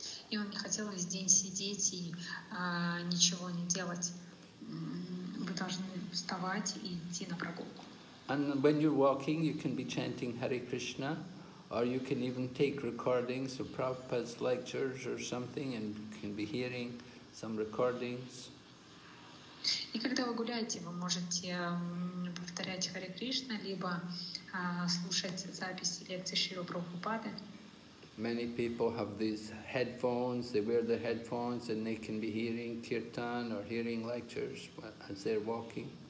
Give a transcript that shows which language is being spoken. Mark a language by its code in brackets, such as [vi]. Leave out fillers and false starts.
[ru] И он не хотел весь день сидеть и ничего не делать. Вы должны вставать и идти на прогулку. [en] And when you're walking, you can be chanting Hare Krishna, or you can even take recordings of Prabhupada's lectures or something, and can be hearing some recordings. [ru] И когда вы гуляете, вы можете повторять Hare Krishna, либо слушать записи лекций Шрилы Прабхупады. [en] Many people have these headphones, they wear their headphones and they can be hearing kirtan or hearing lectures as they're walking.